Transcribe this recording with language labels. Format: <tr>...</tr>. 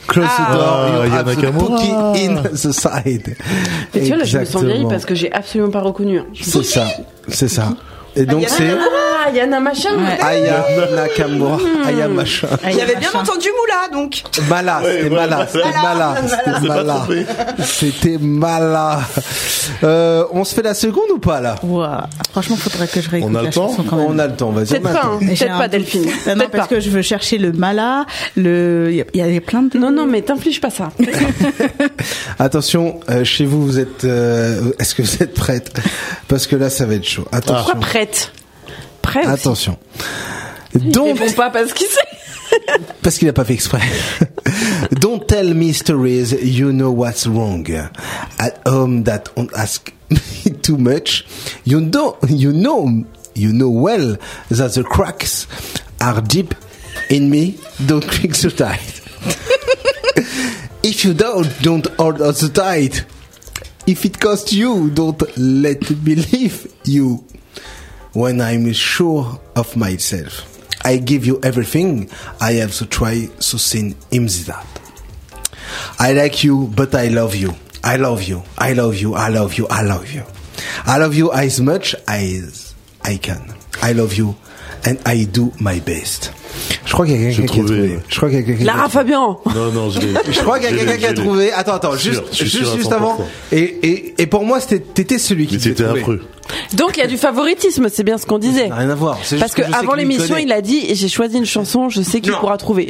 <en>Close the door, you have the pookie in the side.</en> <fr>Mais tu vois, là, je me sens vieille parce que j'ai absolument pas reconnu. C'est ça, c'est ça. Et donc, c'est. Yana Machin. Aya Nakamura. Aya Machin. J'avais bien entendu Moula, donc. Mala, c'était Mala. C'était Mala. C'était Mala. C'était Mala. On se fait la seconde ou pas, là? Franchement, faudrait que je réécoute la chanson quand même. On a le temps, vas-y. Peut-être pas, Delphine. Non, parce que je veux chercher le Mala. Il y a plein de. Non, non, mais t'inflige pas ça. Attention, chez vous, vous êtes. Est-ce que vous êtes prête? Parce que là, ça va être chaud. Attention. Pourquoi prête? Prêt. Attention. Donc, ils ne font pas parce qu'il sait. Parce qu'il n'a pas fait exprès.</fr> <en>Don't tell me stories, you know what's wrong. At home that don't ask me too much. You know well that the cracks are deep in me. Don't click so tight. If you don't hold so tight. If it costs you, don't let me leave you. When I'm sure of myself, I give you everything. I have to try so soon. Imzidat. I like you, but I love you. I love you. I love you. I love you. I love you. I love you as much as I can. I love you, and I do my best.</en> <fr>Je crois qu'il y a quelqu'un qui a trouvé. Je crois qu'il y a quelqu'un. Lara Fabian. Non, je l'ai. Je crois qu'il y a quelqu'un qui a trouvé. Attends, juste avant. Et pour moi, t'étais celui qui t'était trouvé. Affreux. Donc il y a du favoritisme, c'est bien ce qu'on disait. Rien à voir. C'est parce que avant l'émission, il a dit j'ai choisi une chanson, je sais qu'il pourra trouver.</fr>